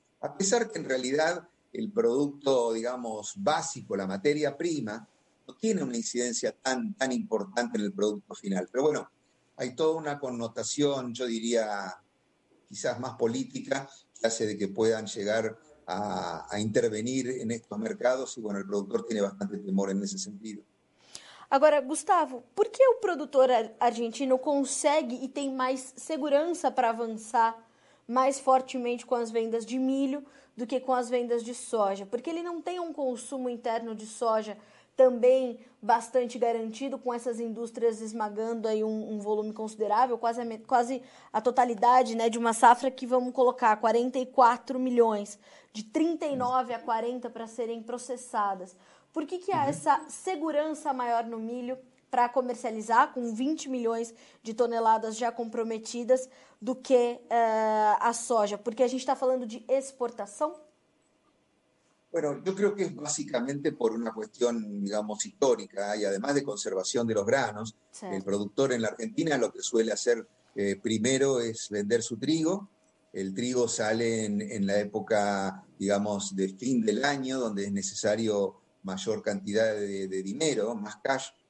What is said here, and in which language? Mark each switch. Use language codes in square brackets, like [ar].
[es] A pesar que en realidad el producto, digamos, básico, la materia prima, no tiene una incidencia tan, tan importante en el producto final. Pero bueno, hay toda una connotación, yo diría, quizás más política, que hace de que puedan llegar a intervenir en estos mercados, y bueno, el productor tiene bastante temor en ese sentido. [pt] Agora, Gustavo, por que o productor argentino consegue e tem mais segurança para avançar mais fortemente com as vendas de milho do que com as vendas de soja? Porque ele não tem um consumo interno de soja também bastante garantido, com essas indústrias esmagando aí um volume considerável, quase a totalidade, né, de uma safra que, vamos colocar, 44 milhões, de 39 a 40 para serem processadas. Por que há essa segurança maior no milho para comercializar com 20 milhões de toneladas já comprometidas do que a soja? Porque a gente está falando de exportação? [es] Bueno, yo creo que es básicamente por una cuestión, digamos, histórica y además de conservación de los granos. El [pt] Certo. [es] productor en la Argentina lo que suele hacer primero es vender su trigo. El trigo sale en la época, digamos, de fin del año, donde es necesario mayor cantidad de dinero, más cash.